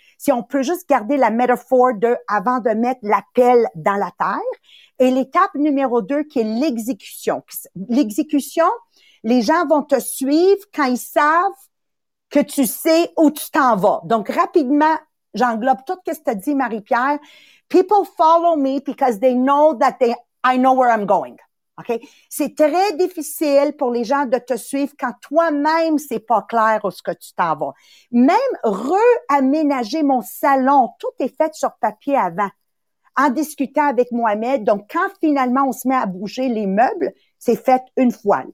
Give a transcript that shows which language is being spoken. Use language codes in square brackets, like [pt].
[fr] Si on peut juste garder la métaphore de avant de mettre la pelle dans la terre. Et l'étape numéro deux, qui est l'exécution. L'exécution, les gens vont te suivre quand ils savent que tu sais où tu t'en vas. Donc, rapidement, j'englobe tout ce que tu as dit, Marie-Pierre. [en] People follow me because they know that I know where I'm going. Okay? [fr] C'est très difficile pour les gens de te suivre quand toi-même, c'est pas clair où ce que tu t'en vas. Même réaménager mon salon, tout est fait sur papier avant. En discutant avec Mohamed, donc quand finalement on se met à bouger les meubles, c'est fait une fois.